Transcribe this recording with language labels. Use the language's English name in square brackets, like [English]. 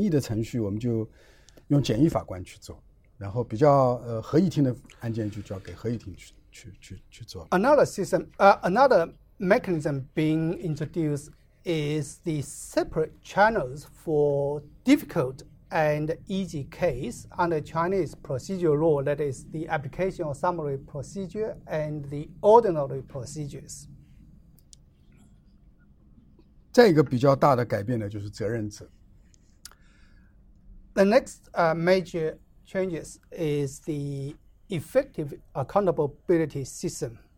[Chinese] 还有一个呢，就变化比较大的，就是繁简分流，就是有些案子呢属于简易的程序，我们就用简易法官去做。然后比较合议庭的案件就交给合议庭去做。 [English] Another system, another mechanism being introduced is the separate channels for difficult and easy case under Chinese procedural law, that is the application of summary procedure and the ordinary procedures. [Chinese] 再一个比较大的改变呢，就是责任制。 [English] The next major changes is the effective accountability system.